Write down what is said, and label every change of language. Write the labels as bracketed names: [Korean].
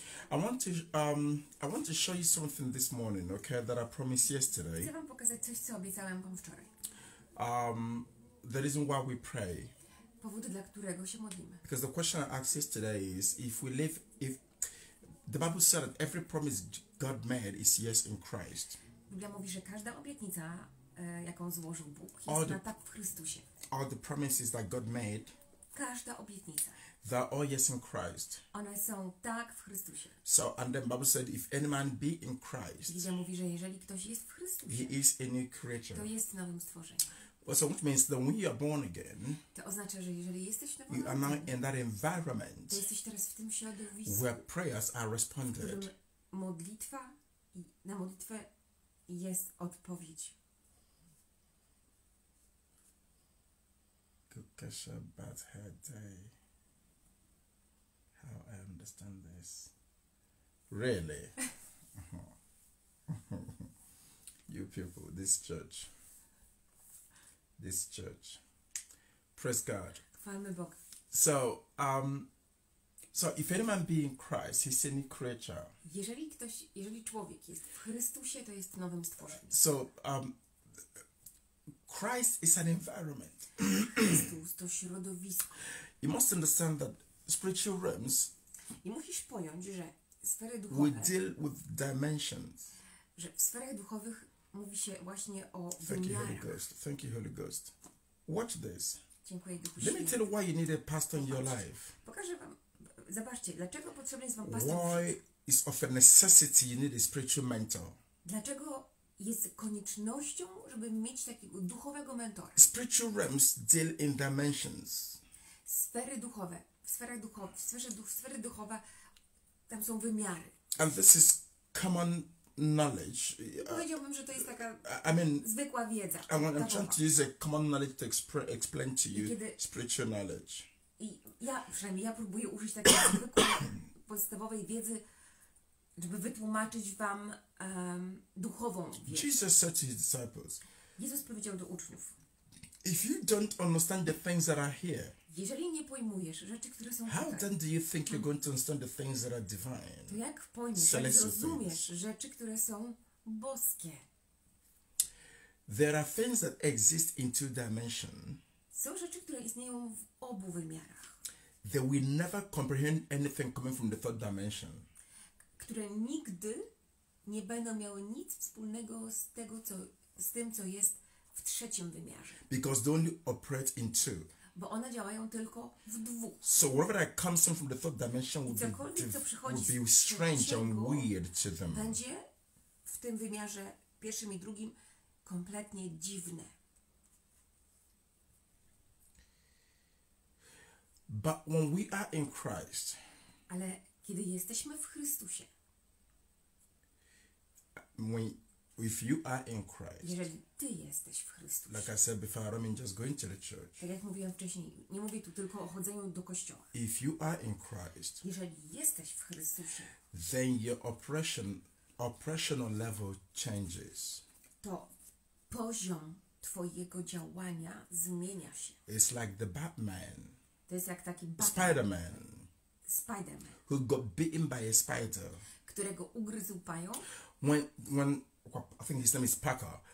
[English] I want to show you something this morning, okay, that I promised yesterday. [Polish] Chcę wam pokazać coś, co obiecałem wam wczoraj. [English] The reason why we pray. [Polish] Powodu, dla którego się modlimy. [English] Because the question I asked yesterday is if the Bible said that every promise God made is yes in Christ. [Polish] Biblia mówi, że każda obietnica, jaką złożył Bóg, jest na tak w Chrystusie. [English] All the promises that God made. [Polish] Każda obietnica. [English] They are all yes in Christ. [Polish] One są tak w Chrystusie. [English] So and then Bible said if any man be in Christ. [Polish] Biblia mówi, że jeżeli ktoś jest w Chrystusie, [English] he is a new creature. [Polish] To jest nowym stworzeniem. [English] So which means that when you are born again, [Polish] to oznacza, że jeżeli jesteś nowo [English] you are now in that environment [Polish] to jesteś teraz w tym środowisku, [English] where prayers are responded. [Polish] Modlitwa, na modlitwę jest odpowiedź. [English] Kukasha, bad hair day. How I understand this. Really? You people, this church. This church. Praise God. [Polish] Chwalmy Bóg. [English] So if any man be in Christ, he's a new creature. [Polish] Jeżeli człowiek jest w Chrystusie, to jest nowym stworzeniem. [English] So Christ is an environment. [Polish] Chrystus to środowisko. [English] You must understand that spiritual realms. [Polish] I musisz pojąć, że sfery duchowe. [English] We deal with dimensions. [Polish] Że w sferach duchowych mówi się właśnie o wymiarach. [English] Thank you, Holy Ghost. Thank you, Holy Ghost. Watch this. [Polish] Dziękuję, Duchu Święty. [English] Let me tell you why you need a pastor in your life. [Polish] Pokażę wam. Zobaczcie, dlaczego potrzebny jest wam pastor. [English] Why is of a necessity you need a spiritual mentor? [Polish] Dlaczego jest koniecznością, żeby mieć takiego duchowego mentora? [English] Spiritual realms deal in dimensions. [Polish] Sfery duchowe. W sferze duchowe tam są wymiary. [English] And this is common knowledge. [Polish] Powiedziałbym, że to jest taka zwykła wiedza. [English] I'm trying to use a common knowledge to explain to you spiritual knowledge. [Polish] I ja próbuję użyć takiej zwykłej, podstawowej wiedzy, żeby wytłumaczyć wam duchową wiedzę. [English] Jesus said to his disciples. [Polish] Jezus powiedział do uczniów. [English] If you don't understand the things that are here. [Polish] Jeżeli nie pojmujesz rzeczy, które są tutaj. [English] How then do you think you're going to understand the things that are divine? [Polish] To jak pojmiesz, jak zrozumiesz rzeczy, które są boskie? [English] There are things that exist in two dimensions. [Polish] Są rzeczy, które istnieją w obu wymiarach. [English] That we never comprehend anything coming from the third dimension. [Polish] Które nigdy nie będą miały nic wspólnego z tym, co jest w trzecim wymiarze. [English] Because they only operate in two. [Polish] Bo one działają tylko w dwóch. [English] So whatever that comes in from the third dimension will be strange and weird to them. [Polish] Będzie w tym wymiarze pierwszym i drugim kompletnie dziwne. [English] But when we are in Christ. [Polish] Ale kiedy jesteśmy w Chrystusie. [English] If you are in Christ. [Polish] Jeżeli ty jesteś w Chrystusie. [English] Like I said before, I don't mean just going to the church. [Polish] Tak jak mówiłam wcześniej, nie mówię tu tylko o chodzeniu do kościoła. [English] If you are in Christ. [Polish] Jeżeli jesteś w Chrystusie. [English] Then your operational level changes. [Polish] To poziom twojego działania zmienia się. [English] It's like the Batman. [Polish] To jest jak taki Batman. [English] Spider-Man. Who got bitten by a spider. [Polish] Którego ugryzł pająk. [English] When I think his name is Parker.